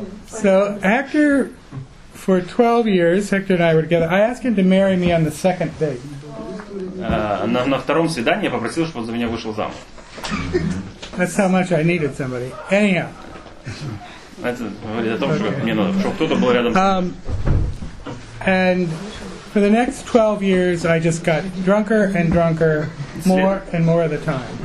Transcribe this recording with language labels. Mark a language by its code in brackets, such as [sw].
[en] So Hector, for 12 years, Hector and I were together. I asked him to marry me on the second date. [ru] На втором свидании я попросил, чтобы он за меня вышел замуж. [en] That's how much I needed somebody. Anyhow. [ru] Это говорит о том, что мне надо, чтобы кто-то был рядом с ним. [en] And for the next 12 years, I just got drunker and drunker, more and more of the time.